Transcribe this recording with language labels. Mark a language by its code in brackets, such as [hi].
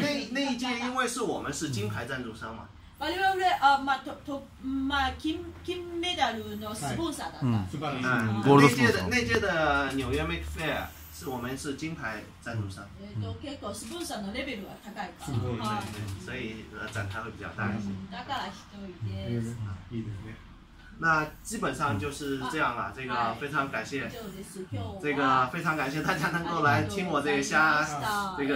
[zh] 那一届因为是我们是金牌赞助商嘛。我们是 [ja] 金メダルのスポンサーだった。 [zh] 那届的纽约 Make Fair 是我们是金牌赞助商。 [ja] 結構スポンサーのレベルは高いから。すごい。 [zh] 所以展開会比较大一些。 [ja] だから一人です。いいですね。 [zh] 那基本上就是这样了、啊、这个非常感谢、哎、这个非常感谢大家能够来听我这一下、啊、这个